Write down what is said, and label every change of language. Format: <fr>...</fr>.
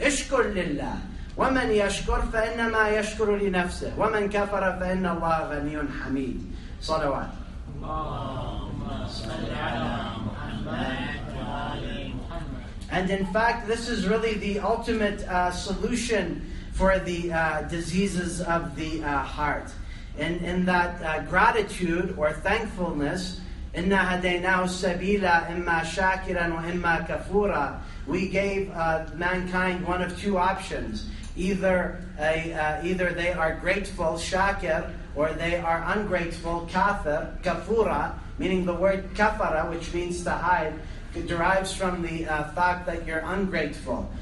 <ar>اشْكُرْ لِلَّهِ وَمَنْ يَشْكُرْ فَإِنَّمَا يَشْكُرُ لِنَفْسِهِ وَمَنْ كَفَرَ فَإِنَّ اللَّهَ غَنِيٌّ حَمِيدٌ. صلوات.</ar> <en>And in fact, this is really the ultimate solution for the diseases of the heart. In that gratitude or thankfulness,</en> <ar>إِنَّا هَدَيْنَاهُ السَّبِيلَ إِمَّا شَاكِرًا وَإِمَّا كَفُورًا.</ar> <en>We gave mankind one of two options. Either they are grateful, shakir, or they are ungrateful, kafir, kafura, meaning the word kafara, which means to hide, derives from the fact that you're ungrateful.</en>